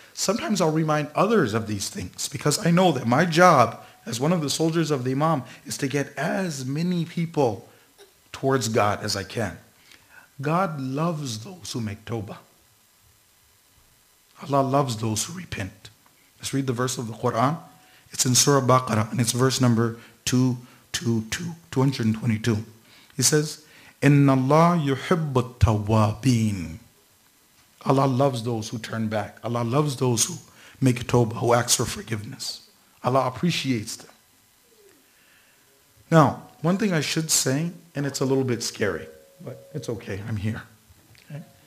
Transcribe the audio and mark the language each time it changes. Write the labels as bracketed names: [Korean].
[English] Sometimes I'll remind others of these things because I know that my job as one of the soldiers of the Imam is to get as many people towards God as I can. God loves those who make Toba. Allah loves those who repent. Let's read the verse of the Quran. It's in Surah Baqarah and it's verse number 222. He says, [Arabic] إِنَّ اللَّهَ يُحِبُّ التَّوَّابِينَ. [English] Allah loves those who turn back. Allah loves those who make Tawbah, who ask for forgiveness. Allah appreciates them. Now, one thing I should say, and it's a little bit scary, but it's okay, I'm here. Okay?